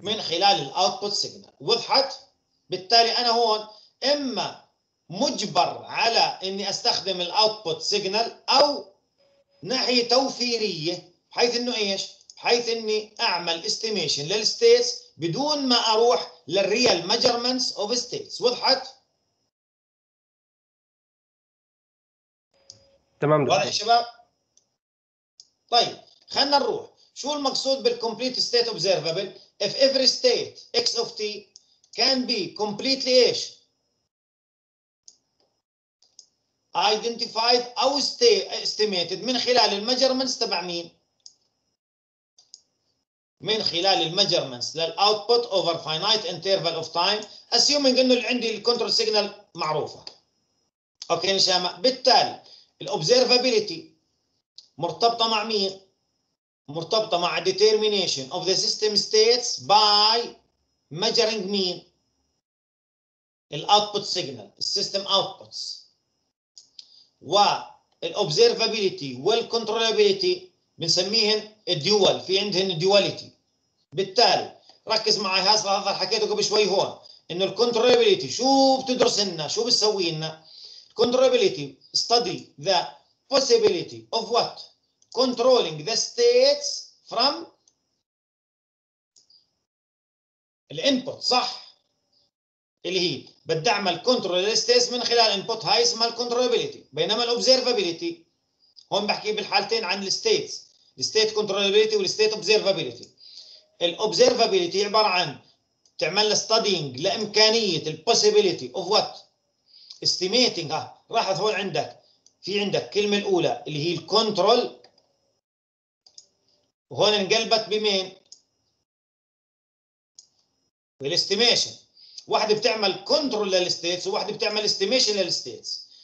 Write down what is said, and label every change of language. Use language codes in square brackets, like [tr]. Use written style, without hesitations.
[ar] من خلال الاوتبوت سيجنال. وضحت؟ بالتالي انا هون اما مجبر على اني استخدم الاوتبوت سيجنال او ناحيه توفيريه بحيث انه ايش؟ بحيث اني اعمل استيميشن للستيتس بدون ما اروح للريال ميجرمنتس اوف ستيتس. وضحت؟ تمام يا شباب. طيب خلينا نروح شو المقصود بالcomplete state observable. [en] If every state x of t can be completely ايش identified او estimated [ar] من خلال المجرمنس تبع مين؟ من خلال المجرمنس [en] للoutput over finite interval of time assuming [ar] انه اللي عندي [en] الcontrol signal معروفة. [ar] اوكي نشامة. بالتالي الobservability مرتبطة مع مين؟ مرتبطة مع [en] determination of the system states by measuring mean output signal system outputs. [ar] والobservability والcontrollability بنسميهن dual، في عندهن duality. بالتالي ركز معي هذا الظاهر حكيته قبل شوي هون انه الcontrollability شو بتدرس لنا شو بتسوي لنا. [en] controllability study the possibility of what controlling the states from the input [ar] صح اللي هي بدي اعمل [en] control the states من خلال input [ar] هاي اسمها [en] controllability. [ar] بينما observability هون بحكي بالحالتين عن states state controllability والstate observability. [en] observability [ar] عبارة عن تعمل [en] studying لإمكانية possibility of what estimating. [ar] ها راحت هون عندك في عندك كلمة الأولى اللي هي control وهون انقلبت بمين؟ بالاستيميشن. واحدة بتعمل كنترول للستيتس وواحدة بتعمل استيميشن للستيتس.